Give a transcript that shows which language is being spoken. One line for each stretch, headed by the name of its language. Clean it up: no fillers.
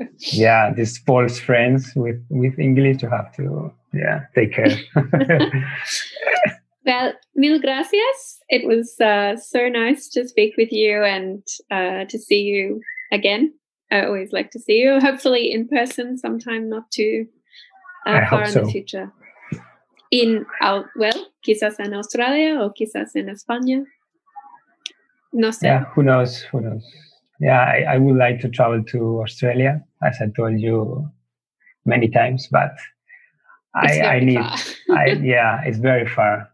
English: Yeah, these false friends with English, you have to take care.
Spanish: Well, mil gracias.
English: It was so nice to speak with you and to see you again. I always like to see you, hopefully in person sometime not too far in the future.
Spanish: Quizás en Australia or quizás en España. No sé.
English: Yeah, who knows? Yeah, I would like to travel to Australia, as I told you many times, but it's very far.